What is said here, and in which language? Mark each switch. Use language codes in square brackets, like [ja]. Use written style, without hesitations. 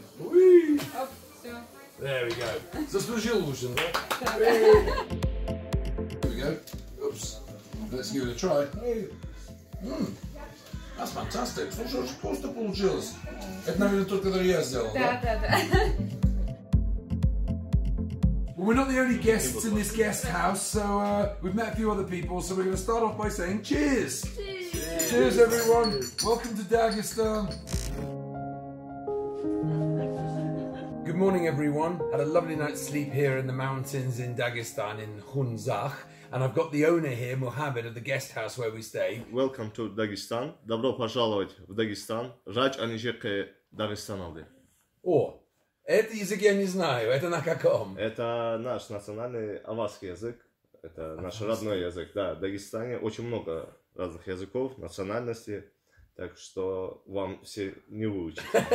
[ru] Уии! Оп, все. [en] There we go. [ru] Заслужил ужин, да? Да. [en] Here we go. Oops. Let's give it a try. That's fantastic. [ru] Слушай, очень просто получилось. Это, наверное, тот, который я сделал, да? Да, да, да. [en] Well, we're not the only guests in this guest house, so we've met a few other people, so we're going to start off by saying cheers! Cheers! Cheers, everyone! Welcome to Dagestan! Good morning, everyone. Had a lovely night's sleep here in the mountains in Dagestan, in Hunzakh. And I've got the owner here, Mohammed, of the guest house where we stay. Welcome to Dagestan. [ru] Добро пожаловать в Дагестан. Рад, что они жили в Дагестане. Это язык я не знаю, это на каком? Это наш национальный аварский язык, это наш родной язык, да, в Дагестане очень много разных языков, национальностей, так что вам все не выучить.